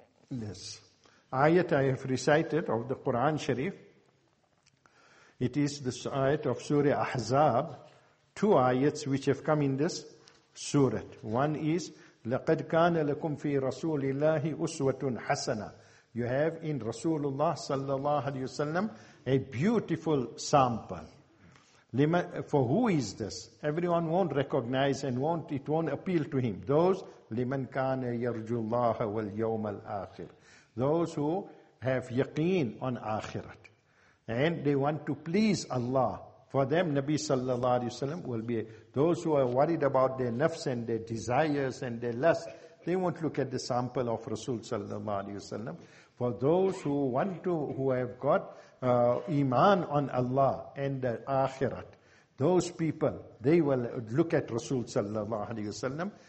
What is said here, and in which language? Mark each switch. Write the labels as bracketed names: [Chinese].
[English] This ayat I have recited of the Quran Sharif. It is the ayat of Surah Ahzab. Two ayats which have come in this surah. One is, [Arabic] لَقَدْ كَانَ لَكُمْ فِي رَسُولِ اللَّهِ أُسْوَةٌ حَسَنَةٌ. [English] You have in Rasulullah sallallahu alayhi wa sallam a beautiful sample. For who is this? Everyone won't recognize and it won't appeal to him. Those [Arabic] لِمَنْ كَانَ يَرْجُ اللَّهَ وَالْيَوْمَ الْآخِرِ. [English] Those who have yaqeen on akhirat. And they want to please Allah For them, Nabi sallallahu alayhi wa sallam will be those who are worried about their nafs and their desires and their lust. They won't look at the sample of Rasul sallallahu alayhi wa sallam. For those who want to, who have got iman on Allah and the akhirat, those people, they will look at Rasul sallallahu alayhi wa sallam.